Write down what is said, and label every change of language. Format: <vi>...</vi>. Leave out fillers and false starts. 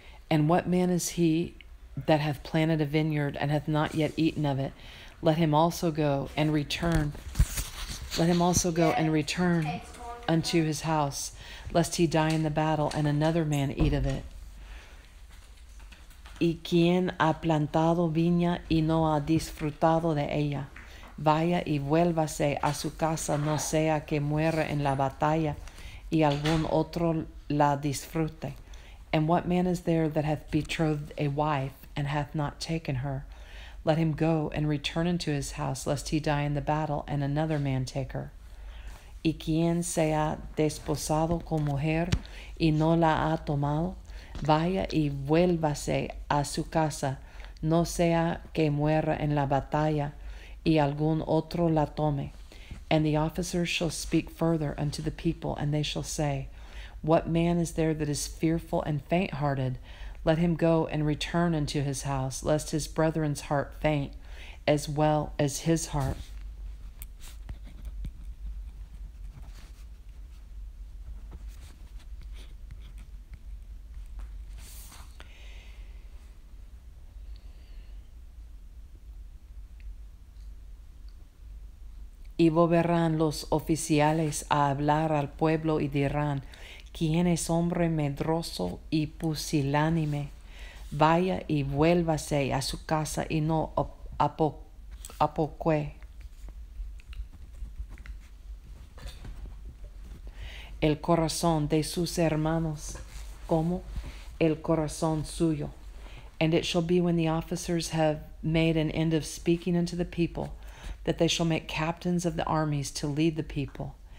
<en>And what man is he that hath planted a vineyard and hath not yet eaten of it? Let him also go and return. Let him also go and return unto his house, lest he die in the battle and another man eat of it.</en> <es>Y quien ha plantado viña y no ha disfrutado de ella, vaya y vuélvase a su casa, no sea que muera en la batalla y algún otro la disfrute.</es> <en>And what man is there that hath betrothed a wife and hath not taken her? Let him go and return into his house, lest he die in the battle and another man take her.</en> <es>Y quien se ha desposado con mujer y no la ha tomado, vaya y vuélvase a su casa, no sea que muera en la batalla, y algún otro la tome.</es> <en>And the officers shall speak further unto the people, and they shall say, What man is there that is fearful and faint-hearted? Let him go and return unto his house, lest his brethren's heart faint, as well as his heart.</en> <es>Y volverán los oficiales a hablar al pueblo y dirán, ¿quién es hombre medroso y pusilánime? Vaya y vuélvase a su casa y no apocue. El corazón de sus hermanos, como el corazón suyo.</es> <en>And it shall be when the officers have made an end of speaking unto the people, that they shall make captains of the armies to lead the people.</en>